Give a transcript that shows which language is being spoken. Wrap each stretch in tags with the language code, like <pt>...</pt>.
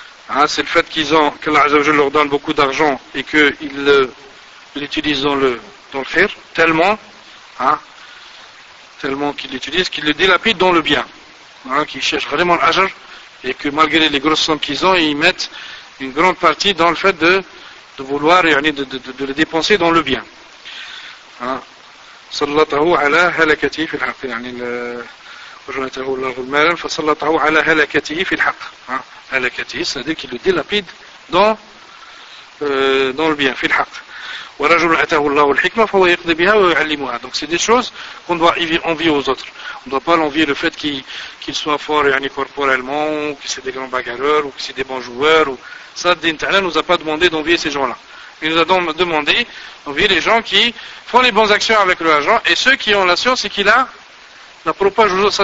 <fr>Hein, c'est le fait que Allah Azza wa Jalla leur donne beaucoup d'argent et qu'ils l'utilisent dans le khir, tellement qu'ils l'utilisent, qu'ils le dilapident dans le bien. Hein, qu'ils cherchent vraiment l'ajr et que malgré les grosses sommes qu'ils ont, ils mettent une grande partie dans le fait de vouloir de le dépenser dans le bien. Hein.</fr> <ar>سلطه على هلكته في الحق يعني وجنته الله المال فسلطه على هلكته في الحق هلكته</ar> <fr>c'est-à-dire qu'il le dilapide dans le bien</fr> <ar>في الحق ورجل أتاه الله الحكمة فهو يقضي بها ويعلمها.</ar> <fr>Donc c'est des choses qu'on doit envier aux autres. On ne doit pas l'envier le fait qu'il soit fort يعني corporellement ou que c'est des grands bagarreurs ou que c'est des bons joueurs. Ça, Din Ta'ala ne nous a pas demandé d'envier ces gens-là. Il nous a donc demandé d'envier les gens qui font les bonnes actions avec leur argent et ceux qui ont la science et qui la propagent aux autres.</fr>